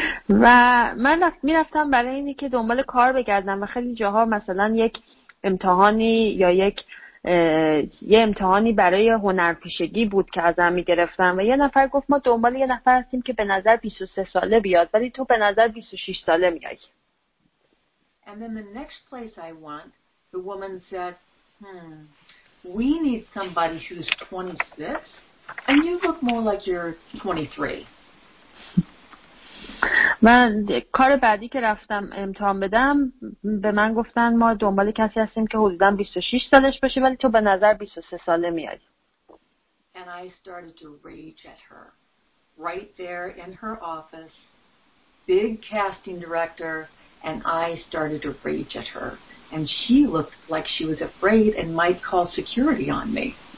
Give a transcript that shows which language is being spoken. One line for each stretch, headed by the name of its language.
Persian: و من می‌رفتم برای اینی که دنبال کار بگردم و خیلی جاها مثلا یک امتحانی یا یه امتحانی برای هنرپیشگی بود که ازم میگرفتن و یه نفر گفت ما دنبال یه نفر هستیم که به نظر 23 ساله بیاد، ولی تو به نظر 26 ساله میای.
English: And then the next place I went, the woman said, we need somebody who's 26, and you look more like you're 23.
Persian: من کار بعدی که رفتم امتحان بدم به من گفتن ما دنبال کسی هستیم که حدودا 26 سالش باشه ولی تو به نظر 23 ساله میای.
English: And I started to rage at her. Right there in her office, big casting director, and I started to rage at her. And she looked like she was afraid and might call security on me.